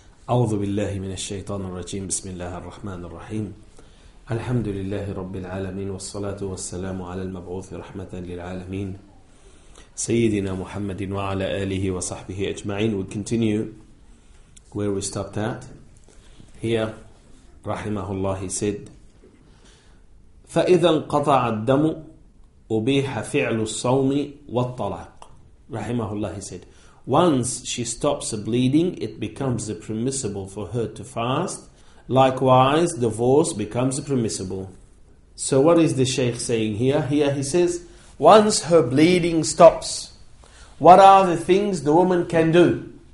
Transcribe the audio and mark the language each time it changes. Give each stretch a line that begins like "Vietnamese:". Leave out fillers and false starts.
Arabic: أعوذ بالله من الشيطان الرجيم بسم الله الرحمن الرحيم الحمد لله رب العالمين والصلاة والسلام على المبعوث رحمة للعالمين سيدنا محمد وعلى آله وصحبه أجمعين.
English: We continue where we stopped at. Here,
Arabic: رحمه الله
English: said,
Arabic: فإذا انقطع الدم أبيح فعل الصوم والطلاق.
English: رحمه الله said, once she stops bleeding, it becomes permissible for her to fast. Likewise, divorce becomes permissible. So what is the Shaykh saying here? Here he says, once her bleeding stops, what are the things the woman can do?